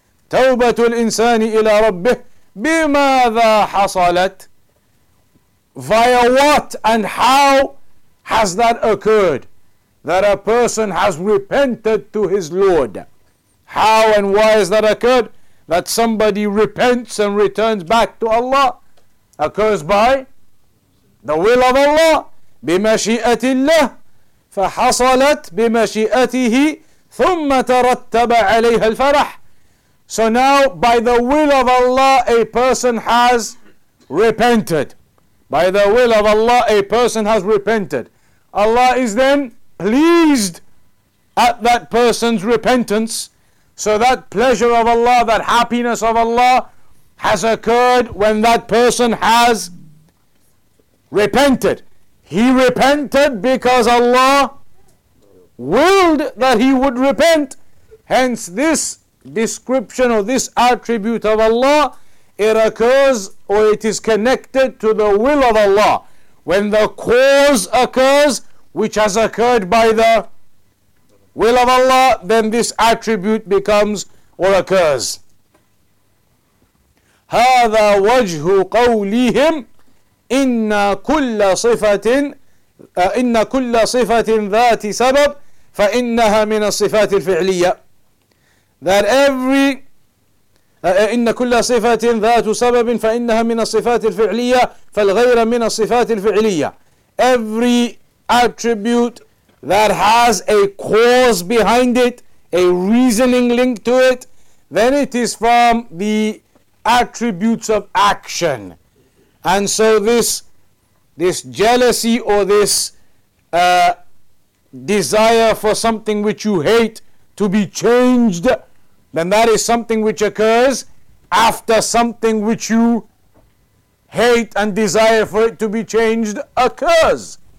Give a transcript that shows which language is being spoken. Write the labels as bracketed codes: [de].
[ar] توبة الإنسان إلى ربه بماذا حصلت. [en] Via what and how has that occurred, that a person has repented to his Lord? How and why has that occurred, that somebody repents and returns back to Allah? Occurs by the will of Allah. [ar] بمشيئة الله فحصلت بمشيئته ثم ترتب عليها الفرح. [en] So now, by the will of Allah, a person has repented. By the will of Allah, a person has repented. Allah is then pleased at that person's repentance. So that pleasure of Allah, that happiness of Allah, has occurred when that person has repented. He repented because Allah willed that he would repent. Hence this description or this attribute of Allah, it occurs or it is connected to the will of Allah when the cause occurs, which has occurred by the will of Allah, then this attribute becomes or occurs. [ar] هذا وجه قولهم إن كل صفة ذات سبب فإنها من الصفات الفعلية. [en] That every [ar] إن كل صفة ذات سبب فإنها من الصفات الفعلية فالغير من الصفات الفعلية. [en] Every attribute that has a cause behind it, a reasoning link to it, then it is from the attributes of action. And so this jealousy or this desire for something which you hate to be changed, then that is something which occurs after something which you hate and desire for it to be changed occurs.